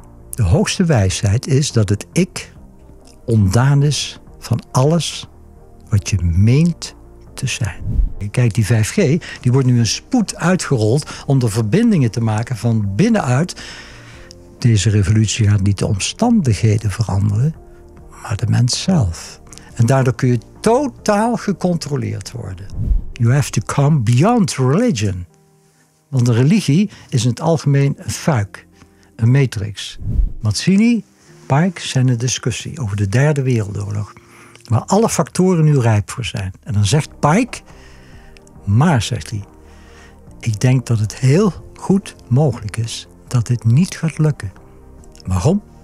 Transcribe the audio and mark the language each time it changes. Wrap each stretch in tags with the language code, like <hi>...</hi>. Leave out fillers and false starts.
<nl>De hoogste wijsheid is dat het ik ontdaan is van alles wat je meent te zijn. Kijk, die 5G, die wordt nu een spoed uitgerold om de verbindingen te maken van binnenuit. Deze revolutie gaat niet de omstandigheden veranderen, maar de mens zelf. En daardoor kun je totaal gecontroleerd worden.</nl> <en>You have to come beyond religion.</en> <nl>Want de religie is in het algemeen een fuik, een matrix. Mazzini, Pike zijn een discussie over de derde wereldoorlog, waar alle factoren nu rijp voor zijn. En dan zegt Pike, maar zegt hij, ik denk dat het heel goed mogelijk is dat dit niet gaat lukken. Waarom?</nl>